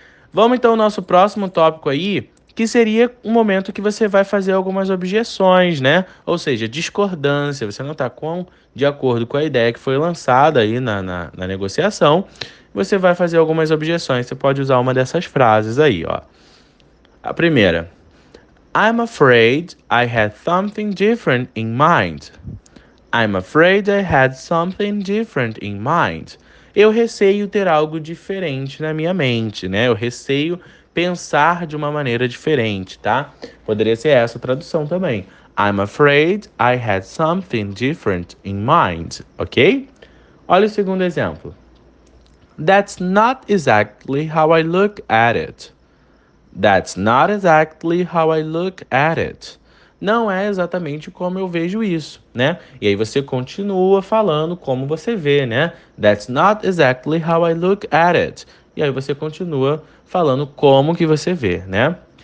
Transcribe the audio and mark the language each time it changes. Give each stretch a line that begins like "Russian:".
Portuguese: Vamos então ao nosso próximo tópico aí, que seria um momento que você vai fazer algumas objeções, né? Ou seja, discordância. Você não tá de acordo com a ideia que foi lançada aí na negociação. Você vai fazer algumas objeções. Você pode usar uma dessas frases aí, ó. A primeira.
English: I'm afraid I had something different in mind. I'm afraid I had something different in mind.
Portuguese: Eu receio ter algo diferente na minha mente, né? Eu receio pensar de uma maneira diferente, tá? Poderia ser essa a tradução também.
English: I'm afraid I had something different in mind, ok?
Portuguese: Olha o segundo exemplo.
English: That's not exactly how I look at it. That's not exactly how I look at it.
Portuguese: Não é exatamente como eu vejo isso, né? E aí você continua falando como você vê, né?
English: That's not exactly how I look at it.
Portuguese: E aí você continua falando como que você vê, né?